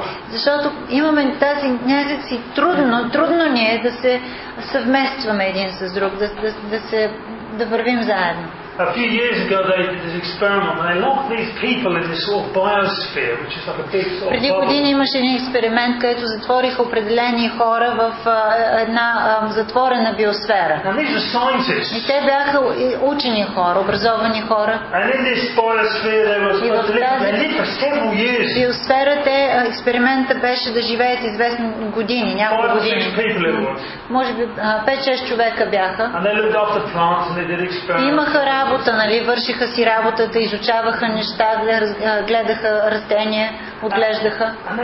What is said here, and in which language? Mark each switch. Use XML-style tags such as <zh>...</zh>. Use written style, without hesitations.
<bg>Защото имаме тази някакси трудно ни е да се съвместваме един с друг, да вървим заедно.</bg> <en>A few years ago they did this experiment and they locked these people in this sort of biosphere, which is like a big sort of.</en> <bg>Преди години имаше един експеримент, където затвориха определени хора в една затворена биосфера.</bg> <en>And these were scientists.</en> <bg>И те бяха учени хора, образовани хора.</bg> <en>And in this biosphere they were supposed to live for several years.</en> <bg>Биосферата, експеримента беше да живеят известни години, няколко години. Може би 5-6 човека бяха.</bg> <en>And they looked after plants and they did experiments.</en> <bg>Работа, нали, вършиха си работата, изучаваха неща, гледаха растения, отглеждаха.</bg>